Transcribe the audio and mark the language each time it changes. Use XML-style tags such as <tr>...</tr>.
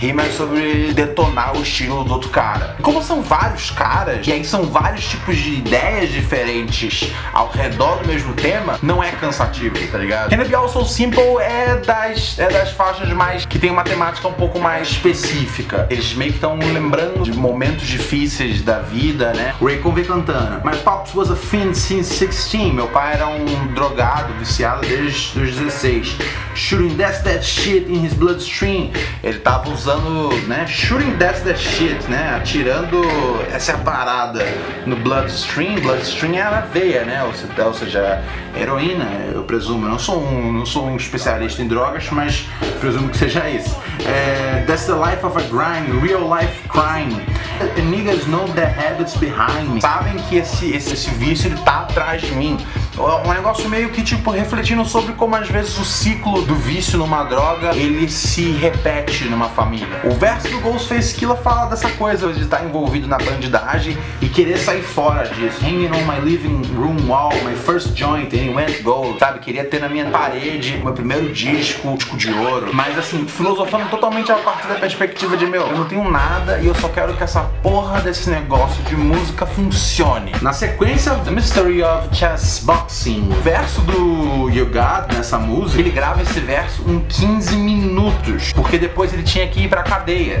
<pt>Rimas sobre detonar o estilo do outro cara. Como são vários caras, e aí são vários tipos de ideias diferentes ao redor do mesmo tema, não é cansativo, tá ligado? Can It Be All So Simple é das faixas mais que tem uma temática um pouco mais específica. Eles meio que estão lembrando de momentos difíceis da vida, né? Raycon vem cantando.</pt> <en>My pops was a fiend since 16.</en> <pt>Meu pai era um drogado, viciado desde os 16.</pt> <en>Shooting that shit in his bloodstream.</en> <pt>Ele tava usando, né?</pt> <en>Shooting that shit,</en> <pt>né? Atirando essa parada no bloodstream. Bloodstream era veia, né? Ou seja, heroína, eu presumo. Eu não sou um especialista em drogas, mas presumo que seja isso.</pt> <en>That's the life of a grime, real life crime. The niggas know the habits behind me.</en> <pt>Sabem que esse vício ele tá atrás de mim. Um negócio meio que tipo refletindo sobre como às vezes o ciclo do vício numa droga ele se repete numa família. O verso do Ghostface Killah fala dessa coisa de estar envolvido na bandidagem e querer sair fora disso.</pt> <en>Hanging on my living room wall, my first joint, and it went gold.</en> <pt>Sabe, queria ter na minha parede meu primeiro disco de ouro. Mas assim, filosofando totalmente a partir da perspectiva de meu, eu não tenho nada e eu só quero que essa porra desse negócio de música funcione. Na sequência, The Mystery of Chess Boxing. O verso do You Got nessa música, ele grava esse verso em 15 minutos, porque depois ele tinha que ir pra cadeia.</pt>